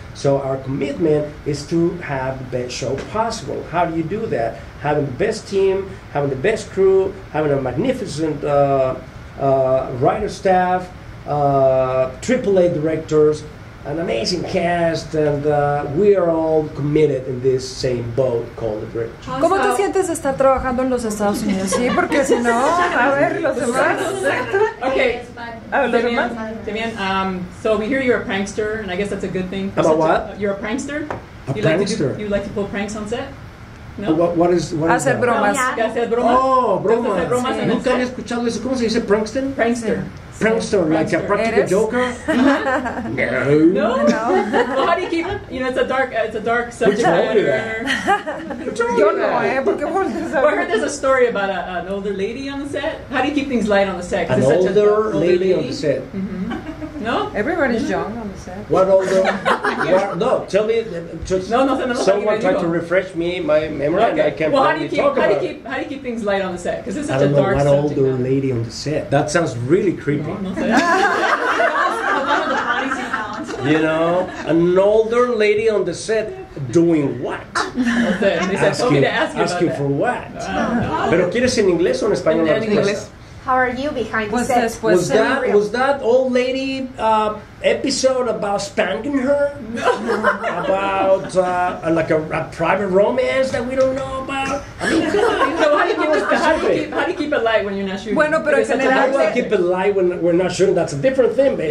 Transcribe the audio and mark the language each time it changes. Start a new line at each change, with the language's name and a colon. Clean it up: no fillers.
English: So our commitment is to have the best show possible. How do you do that? Having the best team, having the best crew, having a magnificent writer staff, AAA directors, an amazing cast, and we are all committed in this same boat called the bridge.
Spanish: ¿Cómo te sientes estar trabajando en los Estados Unidos? Sí, porque si no, a ver, los demás.
English: Okay, Demián, so we hear you're a prankster, and I guess that's a good thing. About what? You're a prankster? You like to pull pranks on set? No? What is
Spanish: hacer bromas. Bromas. Oh, bromas. Sí. Nunca había escuchado eso. ¿Cómo se dice prankster?
English: Prankster. Prankster, like a practical joker? No. Well, how do you keep it? You know, it's a dark subject matter. I heard there's a story about an older lady on the set. How do you keep things light on the set? An older lady on the set. Mm-hmm. No? Everybody's young on the set. What older? Someone try to refresh me, my memory, okay. And I can't really talk about it. How do you keep things light on the set? Because it's such a dark subject. I don't know, what older lady on the set? That sounds really creepy. You know, an older lady on the set, doing what? asking for what?
Spanish: Pero quieres en inglés o en español la respuesta?
English: How are you behind the set? Was that old lady episode about spanking her? About like a private romance that we don't know about? I mean, so how do you keep it light when you're not sure?
Spanish: Bueno, pero
English: keep it light when we're not sure? That's a different thing, baby.